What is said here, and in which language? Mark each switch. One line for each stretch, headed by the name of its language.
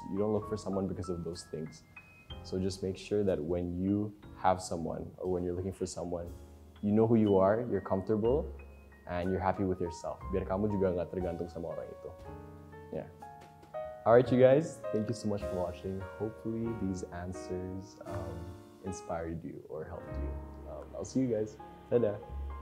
English: You don't look for someone because of those things. So just make sure that when you have someone or when you're looking for someone, you know who you are, you're comfortable, and you're happy with yourself.
Indonesian: Biar kamu juga nggak tergantung sama orang itu.
English: Yeah. All right, you guys. Thank you so much for watching. Hopefully these answers inspired you or helped you. I'll see you guys. Dadah.